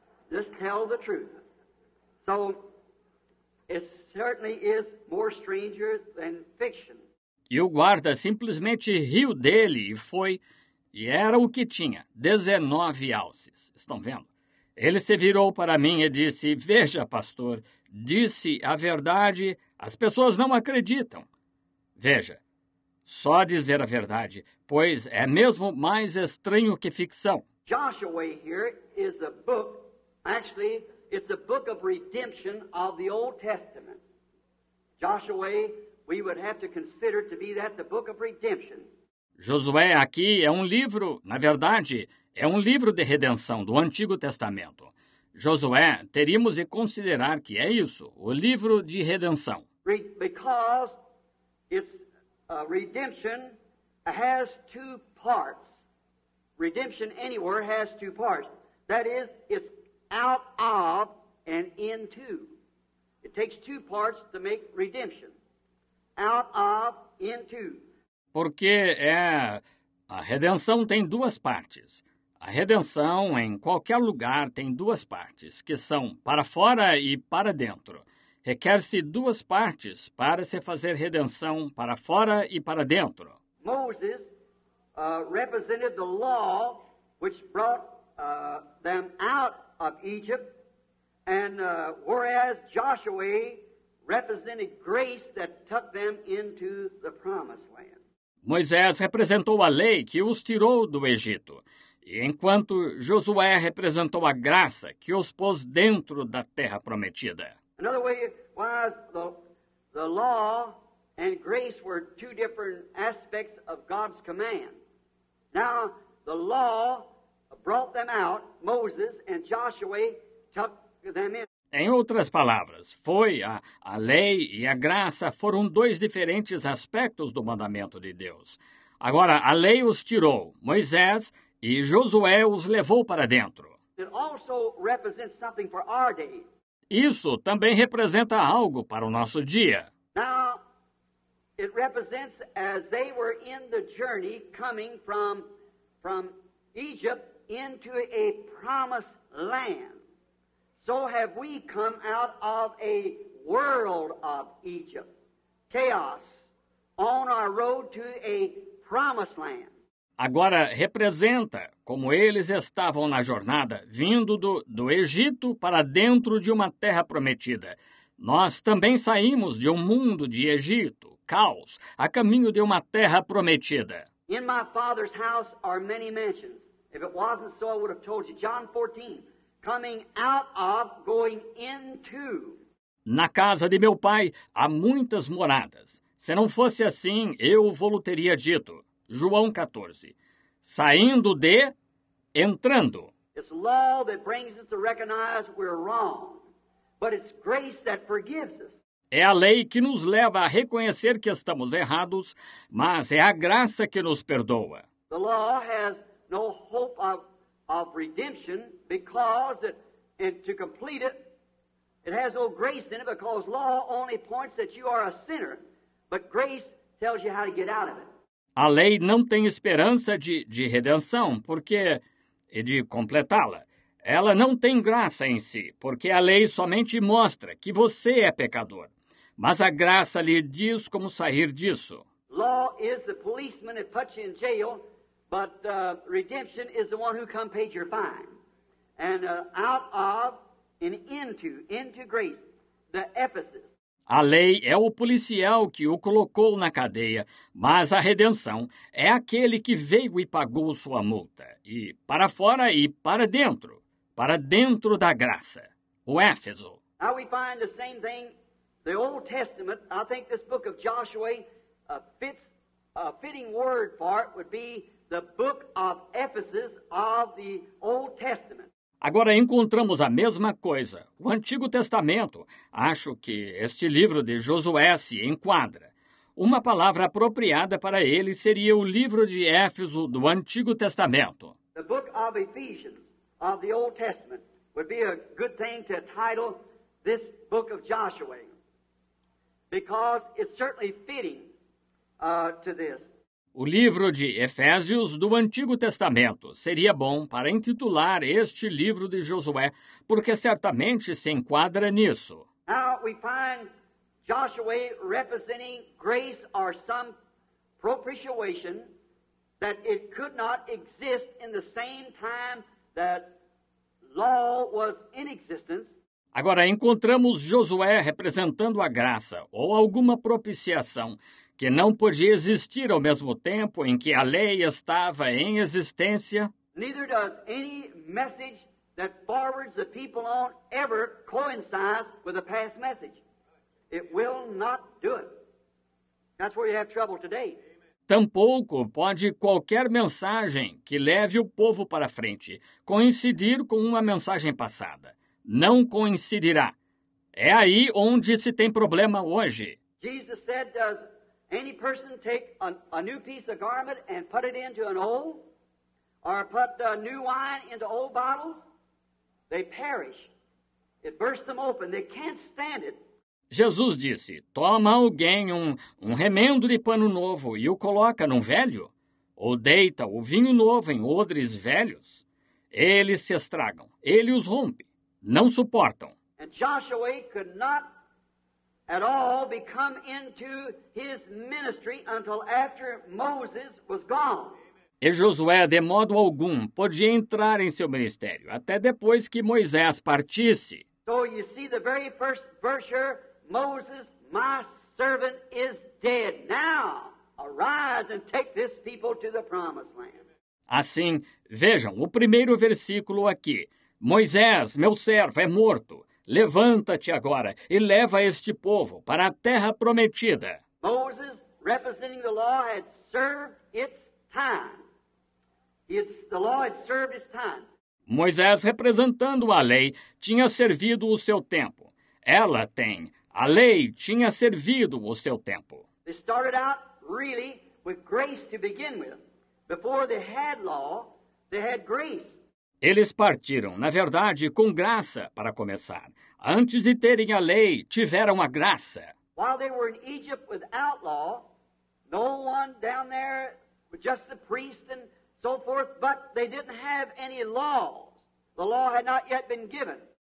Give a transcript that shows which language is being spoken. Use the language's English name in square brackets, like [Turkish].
[English] Just tell the truth. So, it certainly is more stranger than fiction. [Portuguese] E o guarda simplesmente riu dele e foi, e era o que tinha, 19 alces. Estão vendo? Ele se virou para mim e disse, veja, pastor, disse a verdade, as pessoas não acreditam. Veja, só dizer a verdade, pois é mesmo mais estranho que ficção. [English] Joshua here is a book, actually, it's a book of redemption of the Old Testament. Joshua, we would have to consider to be that the book of redemption. [Portuguese] Josué aqui é um livro, na verdade, é um livro de redenção do Antigo Testamento. Josué, teríamos de considerar que é isso, o livro de redenção. [English] Because it's redemption has two parts. Redemption anywhere has two parts. That is, it's out of and into. It takes two parts to make redemption. Out of, into. [Portuguese] Porque é... A redenção tem duas partes. A redenção, em qualquer lugar, tem duas partes, que são para fora e para dentro. Requer-se duas partes para se fazer redenção para fora e para dentro. [English] Moses represented the law which brought them out of Egypt, and whereas Joshua represented grace that took them into the promised land. [Portuguese] Moisés representou a lei que os tirou do Egito, e enquanto Josué representou a graça que os pôs dentro da terra prometida. [English] Another way was the law and grace were two different aspects of God's command. Now, the law brought them out, Moses and Joshua took them in. [Portuguese] Em outras palavras, foi a lei e a graça foram dois diferentes aspectos do mandamento de Deus. Agora, a lei os tirou, Moisés, e Josué os levou para dentro. [English] It also represents something for our day. [Portuguese] Isso também representa algo para o nosso dia. [English] Now, it represents as they were in the journey coming from Egypt into a promised land. So have we come out of a world of Egypt, chaos, on our road to a promised land. [Portuguese] Agora representa como eles estavam na jornada vindo do Egito para dentro de uma terra prometida. Nós também saímos de um mundo de Egito, caos, a caminho de uma terra prometida. [English] In my father's house are many mansions. If it wasn't so, I would have told you. John 14, coming out of, going into. [Portuguese] Na casa de meu pai há muitas moradas. Se não fosse assim, eu vou-lhe teria dito. João 14, saindo de, entrando. [English] It's law that brings us to recognize we're wrong, but it's grace that forgives us. [Portuguese] É a lei que nos leva a reconhecer que estamos errados, mas é a graça que nos perdoa. [English] The law has no hope of redemption because it, and to complete it, it has no grace in it because law only points that you are a sinner, but grace tells you how to get out of it. [Portuguese] A lei não tem esperança de redenção, porque, e de completá-la. Ela não tem graça em si, porque a lei somente mostra que você é pecador. Mas a graça lhe diz como sair disso. [English] Law is the policeman that puts you in jail, but redemption is the one who come paid your fine. And out of and into grace, the Ephesus. [Portuguese] A lei é o policial que o colocou na cadeia, mas a redenção é aquele que veio e pagou sua multa. E para fora e para dentro da graça. O Éfeso. [English] Now we find the same thing, the Old Testament, I think this book of Joshua, a fitting word for it would be the book of Ephesus of the Old Testament. [Portuguese] Agora encontramos a mesma coisa. O Antigo Testamento, acho que este livro de Josué se enquadra. Uma palavra apropriada para ele seria o livro de Éfeso do Antigo Testamento. [English] The book of Ephesians of the Old Testament would be a good thing to title this book of Joshua. Because it's certainly fitting to this. [Portuguese] O livro de Efésios do Antigo Testamento seria bom para intitular este livro de Josué, porque certamente se enquadra nisso. [English] Now we find Joshua representing grace or some propitiation that it could not exist in the same time that law was in existence. [Portuguese] Agora encontramos Josué representando a graça ou alguma propiciação que não podia existir ao mesmo tempo em que a lei estava em existência. [English] Neither does any message that forwards the people on ever coincide with a past message. It will not do it. That's where you have trouble today. [Portuguese] Tampouco pode qualquer mensagem que leve o povo para frente coincidir com uma mensagem passada. Não coincidirá. É aí onde se tem problema hoje. [English] Jesus said, does any person take a new piece of garment and put it into an old, or put new wine into old bottles? They perish. It bursts them open. They can't stand it. [Portuguese] Jesus disse, toma alguém um remendo de pano novo e o coloca num velho, ou deita o vinho novo em odres velhos. Eles se estragam. Ele os rompe. Não suportam. [English] And Joshua could not at all become into his ministry until after Moses was gone. [Portuguese] E Josué, de modo algum, podia entrar em seu ministério até depois que Moisés partisse. [English] So you see the very first verse, Moses, my servant, is dead. Now arise and take this people to the promised land. [Portuguese] Assim, vejam o primeiro versículo aqui. Moisés, meu servo, é morto. Levanta-te agora e leva este povo para a terra prometida. [English] Moses, representing the law, had served its time. The law had served its time. [Portuguese] Moisés, representando a lei, tinha servido o seu tempo. Ela tem. A lei tinha servido o seu tempo. [English] They started out really with grace to begin with. Before they had law, they had grace. [Portuguese] Eles partiram, na verdade, com graça para começar. Antes de terem a lei, tiveram a graça. [English] While they were in Egypt without law, no one down there, just the priest and so forth, but they didn't have any laws. The law had not yet been given.